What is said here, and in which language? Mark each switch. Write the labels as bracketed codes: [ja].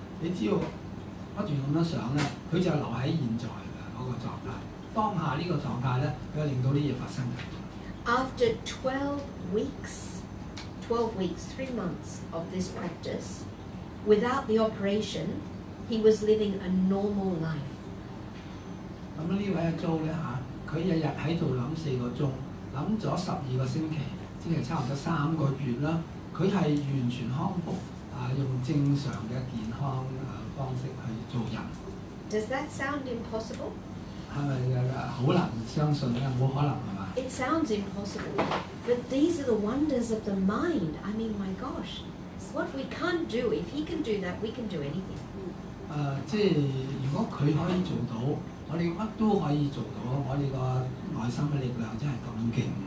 [yue] 你只要不斷咁樣想咧，佢就留喺現在嘅嗰個狀態。當下呢個狀態咧，佢令到啲嘢發生嘅。 [en] After 12 weeks, 3 months of this practice, without the operation, he was living a normal life. [yue] 咁呢位阿 Joe 咧嚇，佢日日喺度諗四個鐘，諗咗12個星期，即係差唔多3個月啦。佢係完全康復，用正常嘅健康方式去做人。 [en] Does that sound impossible? It sounds impossible, but these are the wonders of the mind. I mean, my gosh, what we can't do, if he can do that, we can do anything. [yue] 即係如果佢可以做到，我哋乜都可以做到。我哋個內心嘅力量真係咁勁。